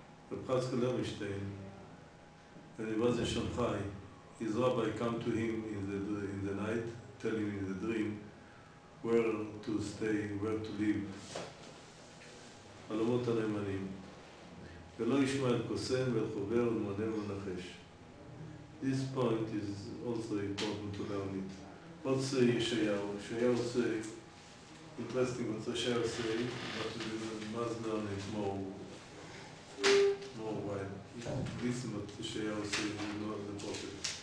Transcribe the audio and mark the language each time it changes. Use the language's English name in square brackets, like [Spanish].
[English] Reb Chaskel Lerenstein, when he was in Shanghai, his rabbi came to him in the night, telling him in the dream where to stay, where to live. [Hebrew] חלומות הנאמנים. ולא ישמע אל קוסם ואל חובר ומונה ונחש. [English] This point is also important to learn it. What's Yeshayahu? Yeshayahu say, interesting what Yeshayahu say, but we must learn it more wide. This is what Yeshayahu say, we know the prophet.